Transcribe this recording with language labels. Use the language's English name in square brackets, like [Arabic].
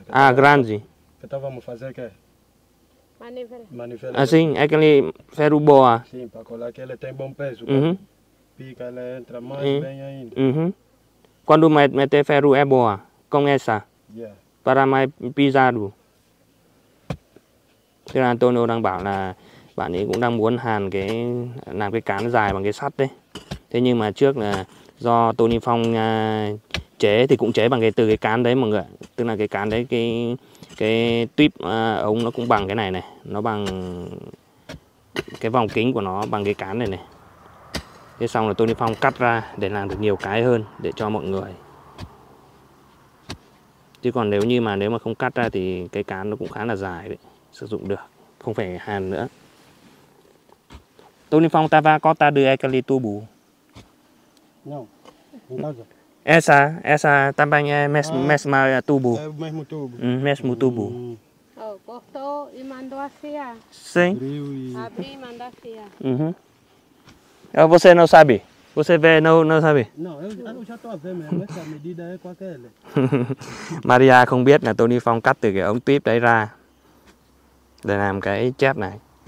[Portuguese] Ah, grande. Que estávamos fazer o quê? Manivela. Ah, sim, aquele ferro boa. Sim, para colar, que ele tem bom peso. Pica, ele entra mais bem ainda. Quando meter ferro é boa, com essa. Yeah. Para mais pisado. [Vietnamese] Thế là Antonio đang bảo là bạn ấy cũng đang muốn hàn cái làm cái cán dài bằng cái sắt đấy. Thế nhưng mà trước là do Tony Phong chế thì cũng chế bằng cái từ cái cán đấy mọi người. Tức là cái cán đấy, cái tuýp ống nó cũng bằng cái này này. Nó bằng cái vòng kính của nó bằng cái cán này này. Thế xong là Tony Phong cắt ra để làm được nhiều cái hơn để cho mọi người. Chứ còn nếu như mà nếu mà không cắt ra thì cái cán nó cũng khá là dài đấy. Sử dụng được, không phải hàn nữa. [Portuguese] Tony Phong tava corta de aquele tubo. Não, em casa. Essa também é mesmo tubo. É o mesmo tubo. Mesmo tubo. Cortou e mandou a fia. Sim. Abriu e mandou a fia. Você não sabe? Você vê, não sabe? Não, eu já estou a ver mesmo, essa medida é com aquele. [Vietnamese] Maria không biết là Tony Phong cắt từ cái ống tuyếp đấy ra để làm cái chép này.